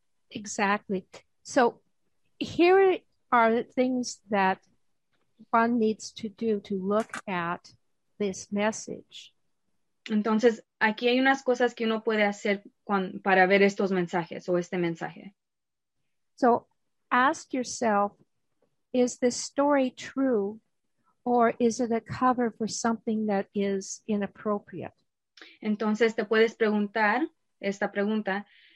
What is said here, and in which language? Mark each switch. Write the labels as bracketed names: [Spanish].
[English] Exactly. So here are the things that one needs to do to look at this message. [Spanish] Entonces, aquí hay unas cosas que uno puede hacer para ver estos mensajes o este mensaje. [English] So ask yourself, is this story true or is it a cover for something that is inappropriate? [Spanish] Entonces, te puedes preguntar esta pregunta.